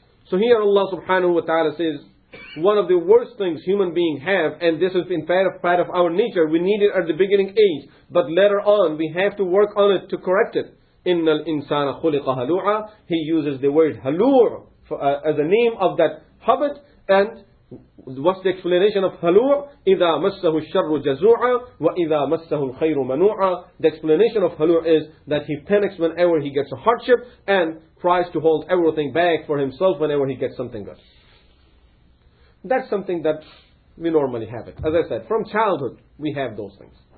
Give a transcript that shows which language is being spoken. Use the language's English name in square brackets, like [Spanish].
[English] So here Allah subhanahu wa ta'ala says, one of the worst things human beings have, and this is in fact part of our nature, we need it at the beginning age, but later on we have to work on it to correct it. [Arabic] إِنَّ الْإِنسَانَ خُلِقَ هَلُوعًا. [English] He uses the word halur as a name of that habit, and what's the explanation of halur? [Arabic] إِذَا مَسَّهُ الشَّرُّ جَزُوعًا وَإِذَا مَسَّهُ الْخَيْرُ مَنُوعًا. [English] The explanation of halur is that he panics whenever he gets a hardship and tries to hold everything back for himself whenever he gets something good. That's something that we normally have it. As I said, from childhood we have those things.